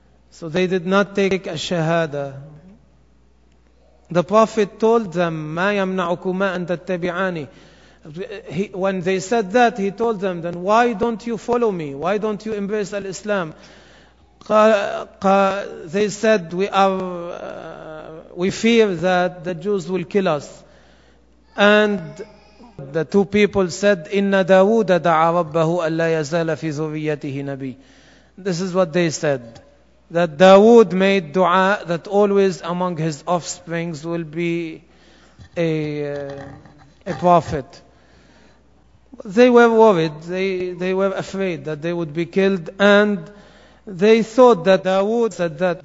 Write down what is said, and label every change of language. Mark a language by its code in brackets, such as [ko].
[en] So they did not take a shahada. The prophet told them, [ar] مَا يَمْنَعُكُمَا أَن تَتَّبِعَانِي. [en] When they said that, he told them, then why don't you follow me? Why don't you embrace Islam? They said, we fear that the Jews will kill us. And the two people said, [ar] إِنَّ دَاوُودَ دَعَى رَبَّهُ أَلَّا يَزَالَ فِي ذُرِّيَّتِهِ نَبِيٌّ. [en] This is what they said. That Dawood made dua that always among his offsprings will be a prophet. They were worried. They were afraid that they would be killed. And they thought that Dawood said that.